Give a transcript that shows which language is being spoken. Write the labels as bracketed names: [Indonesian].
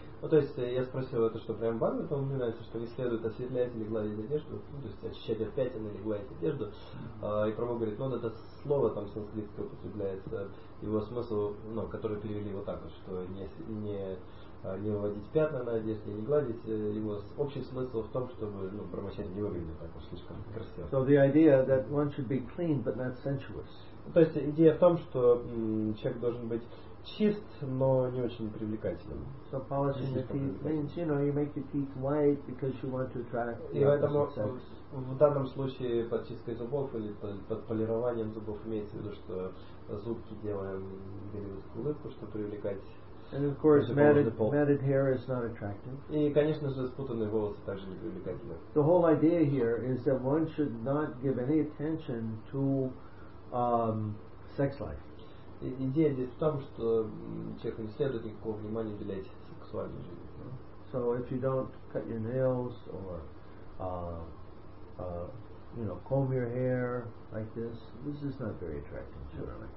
[Russian] Ну, то есть я спросил это, что прям Бхагавата упоминается, что не следует осветлять или гладить одежду, ну, то есть очищать от пятен или гладить одежду. И Прабху говорит, ну, вот это слово там санскритское употребляется, его смысл, ну, который перевели вот так вот, что не выводить пятна на одежде, не гладить, его общий смысл в том, чтобы, ну, промочать не выглядит так уж слишком красиво. [English] So the idea that one should be clean, but not sensuous. [Russian] То есть идея в том, что человек должен быть чист, но не очень привлекательным. [English] So polishing the teeth means, you know, you make your teeth white because you want to attract. [Russian] И поэтому в данном случае под чисткой зубов или под полированием зубов имеется в виду, что зубки делаем белую улыбку, чтобы привлекать. [English] And of course, matted hair is not attractive. [Russian] И, конечно же, спутанные волосы также не привлекательны. [English] The whole idea here is that one should not give any attention to sex life. [Russian] Идея здесь в том, что человеку не следует никакого внимания уделять сексуальной жизни. [English] So if you don't cut your nails or you know, comb your hair like this, this is not very attractive, generally.